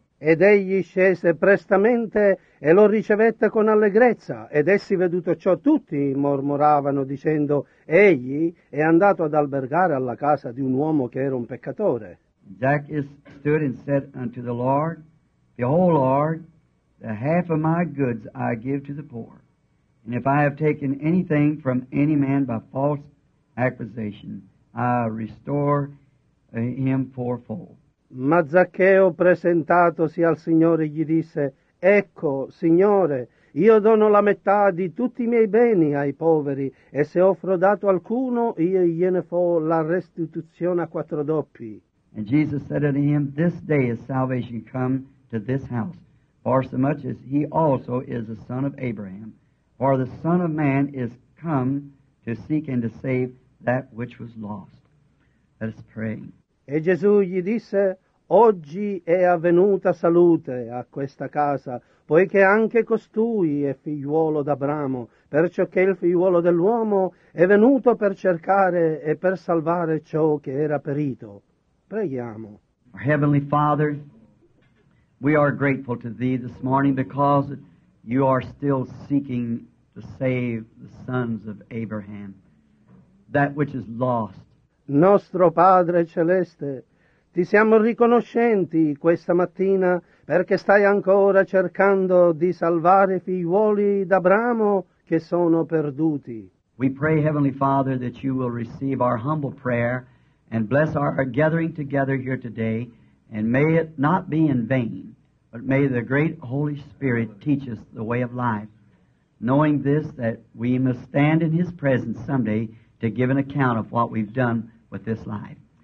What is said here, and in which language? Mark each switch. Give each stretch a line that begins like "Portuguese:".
Italian: Ed egli scese prestamente e lo ricevette con allegrezza, ed essi veduto ciò tutti mormoravano dicendo, egli è andato ad albergare alla casa di un uomo che era un peccatore.
English: Zacchaeus stood and said unto the Lord, Behold, Lord, the half of my goods I give to the poor, and if I have taken anything from any man by false accusation, I restore him fourfold.
Italian: Ma Zaccheo, presentatosi al Signore, gli disse, Ecco, Signore, io dono la metà di tutti i miei beni ai poveri, e se ho frodato alcuno, io gliene fo la restituzione a quattro doppi.
English: And Jesus said unto him, This day is salvation come to this house, for so much as he also is a son of Abraham. For the Son of Man is come to seek and to save that which was lost. Let us pray.
Italian: E Gesù gli disse, oggi è avvenuta salute a questa casa, poiché anche costui è figliuolo d'Abramo, perciò che il figliuolo dell'uomo è venuto per cercare e per salvare ciò che era perito. Preghiamo.
English: Heavenly Father, we are grateful to Thee this morning because You are still seeking to save the sons of Abraham, that which is lost.
Italian: Nostro Padre Celeste, ti siamo riconoscenti questa mattina perché stai ancora cercando di salvare i figliuoli d'Abramo che sono perduti.
English: We pray, Heavenly Father, that You will receive our humble prayer and bless our gathering together here today, and may it not be in vain, but may the great Holy Spirit teach us the way of life, knowing this, that we must stand in His presence someday to give an account of what we've done with this life.